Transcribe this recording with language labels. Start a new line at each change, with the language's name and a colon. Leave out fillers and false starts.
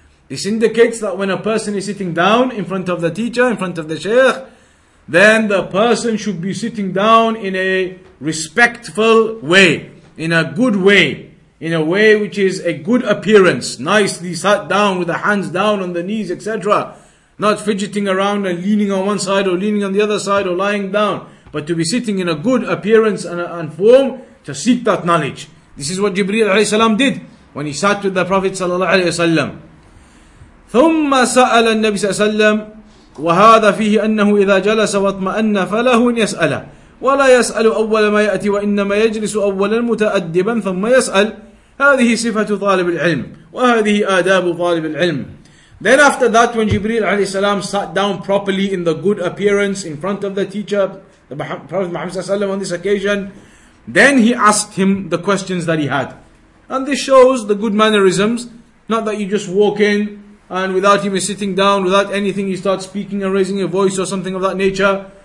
English: This indicates that when a person is sitting down in front of the teacher, in front of the sheikh, then the person should be sitting down in a respectful way, in a good way, in a way which is a good appearance, nicely sat down with the hands down on the knees, etc. Not fidgeting around and leaning on one side or leaning on the other side or lying down, but to be sitting in a good appearance and form, to seek that knowledge. This is what Jibreel alayhi salam did when he sat with the Prophet sallallahu alayhi wasallam.
Arabic: ثم سأل النبي صلى الله عليه وسلم وهذا فيه أنه إذا جلس واطمأن فله أن يسأل ولا يسأل أول ما يأتي وإنما يجلس أولا متأدبا ثم يسأل. هذه صفة طالب العلم وهذه آداب طالب العلم.
English: Then after that, when Jibreel alayhi salam sat down properly in the good appearance in front of the teacher, the Prophet Muhammad sallallahu alayhi wasallam, on this occasion, then he asked him the questions that he had. And this shows the good mannerisms. Not that you just walk in and without even sitting down, without anything, you start speaking and raising your voice or something of that nature.